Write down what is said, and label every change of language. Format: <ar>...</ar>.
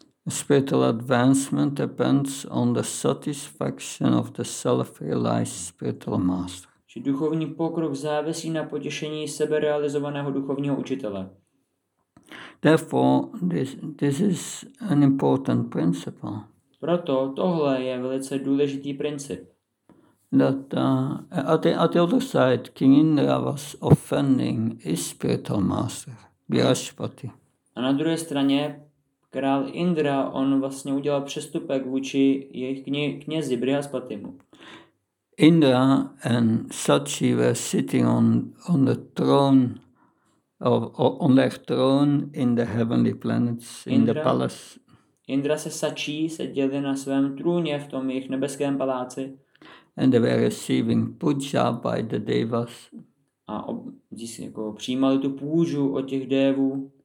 <en>Spiritual advancement depends on the satisfaction of the self-realized spiritual master.</en> <cs>Že duchovní pokrok závisí na potěšení seberealizovaného duchovního učitele.</cs> <en>Therefore, this is an important principle.</en> <cs>Proto tohle je velice důležitý princip.</cs> <en>That at the other side, King Indra was offending his spiritual master, Vyaspati.</en> <cs>A na druhé straně král Indra, on vlastně udělal přestupek vůči jejich knězi Brihaspatimu.</cs> <en>Indra and Sachi were sitting on the throne on their throne in the heavenly planets in the palace.</en> <cs>Indra se Sachi seděli na svém trůně v tom jejich nebeském paláci.</cs> <en>And they were receiving puja by the devas.</en> <cs>A přijímali tu půžu od těch dévů.</cs>